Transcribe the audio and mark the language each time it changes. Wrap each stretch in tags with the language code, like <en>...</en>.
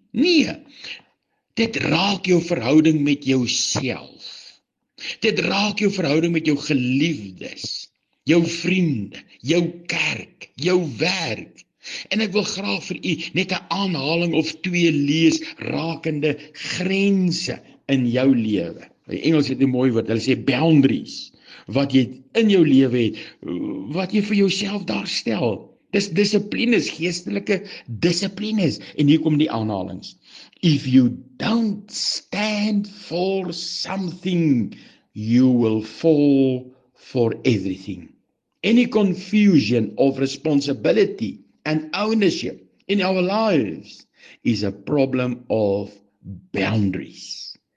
<af>Nee, dit raak jou verhouding met jouself. Dit raak jou verhouding met jou geliefdes, jou vriende, jou kerk, jou werk. En ek wil graag vir u net 'n aanhaling of twee lees rakende grense in jou lewe. In Engels het 'n mooi woord, hulle sê boundaries, wat jy in jou lewe het, wat jy vir jouself daar stel. Dis dissiplines, geestelike dissiplines. En hier kom die aanhalings.</af> <en>If you don't stand for something, you will fall for everything. Any confusion of responsibility and ownership in our lives is a problem of boundaries.</en>